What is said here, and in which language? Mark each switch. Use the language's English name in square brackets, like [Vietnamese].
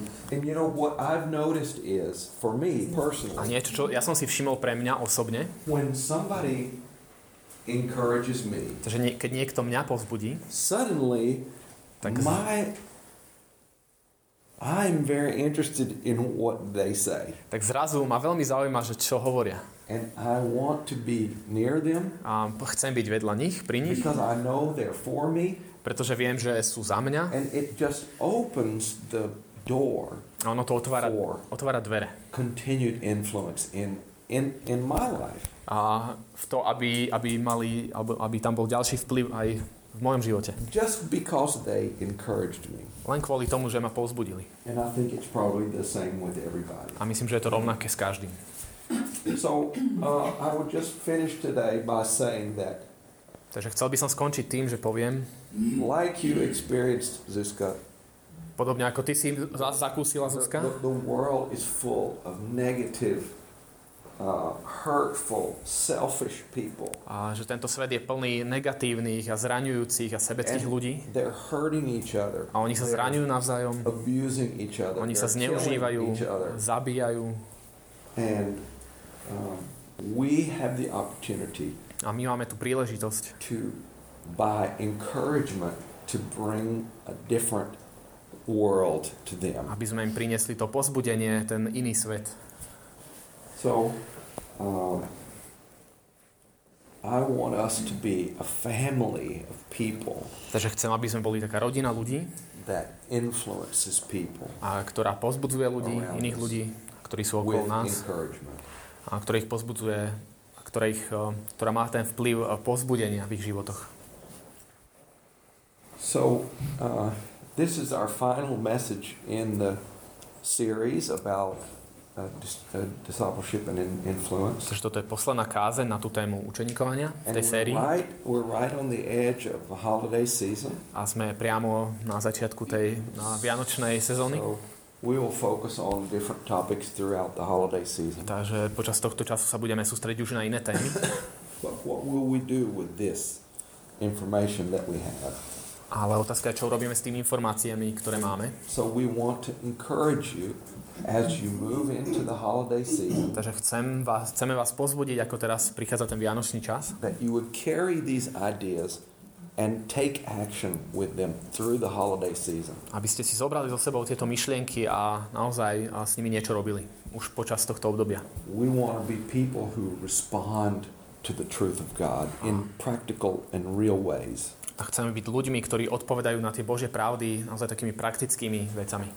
[English] And you know what I've noticed is for me personally. [Slovak] A niečo, čo ja som si všimol pre mňa osobne. [English] When somebody encourages me. [Slovak] Takže keď niekto mňa povzbudí. [English] Suddenly I'm very interested in what they say. [Slovak] Tak zrazu ma veľmi zaujíma, že čo hovoria. [English] And I want to be near them. [Slovak] A chcem byť vedľa nich, pri nich. [English] Because I know they're for me. [Slovak] pretože viem, že sú za mňa. [English] And it just opens the door. [Slovak] A ono to otvára dvere. [English] Continued influence in my life. [Slovak] A v to, aby tam bol ďalší vplyv aj v mojom živote. [English] Just because they encouraged me. [Slovak] Len kvôli tomu, že ma povzbudili. [English] And I think it's probably the same with everybody. [Slovak] A myslím, že je to rovnaké s každým. [English] So, I would just finish today by saying that. [Slovak] Takže chcel by som skončiť tým, že poviem. [English] Like you experienced, Zuzka. [Slovak] Podobne ako ty si zakúsila, Zuzka. [English] The world is full of negative, hurtful, selfish people. [Slovak] A že tento svet je plný negatívnych a zraňujúcich a sebeckých [English] and [Slovak] ľudí. [English] They're hurting each other. [Slovak] A oni sa zraňujú navzájom. [English] Abusing each other. [Slovak] Oni sa zneužívajú, zabíjajú. [English] And we have the opportunity. [Slovak] A my máme tú príležitosť. [English] To by encouragement to bring a different world to them. [Slovak] Aby sme im priniesli to povzbudenie, ten iný svet. [English] So I want us to be a family of people. [Slovak] Takže chcem, aby sme boli taká rodina ľudí. [English] That influences people. [Slovak] A ktorá povzbudzuje ľudí, iných ľudí, ktorí sú okolo nás. [English] Encouragement. [Slovak] A ktorá ich povzbudzuje, ktorá má ten vplyv povzbudenia v ich životoch. [English] So this is our final message in the series about discipleship and influence. [Slovak] Takže toto je posledná kázeň na tú tému učeníkovania v tej sérii. [English] We're right on the edge of the holiday season. [Slovak] A sme priamo na začiatku tej vianočnej sezóny. [English] So we will focus on different topics throughout the holiday season. [Slovak] Takže počas tohto času sa budeme sústrediť už na iné témy. [English] But what will we do with this information that we have? [Slovak] Ale otázka je, čo robíme s tými informáciami, ktoré máme. [English] So we want to encourage you as you move into the holiday season. [Slovak] Takže chceme vás pozbudiť, ako teraz prichádza ten vianočný čas. [English] That you would carry these ideas and take action with them through the holiday season. [Slovak] Aby ste si zobrali so sebou tieto myšlienky a naozaj s nimi niečo robili už počas tohto obdobia. [English] We want to be people who respond to the truth of God in practical and real ways. [Slovak] A chceme byť ľuďmi, ktorí odpovedajú na tie Božie pravdy naozaj takými praktickými vecami.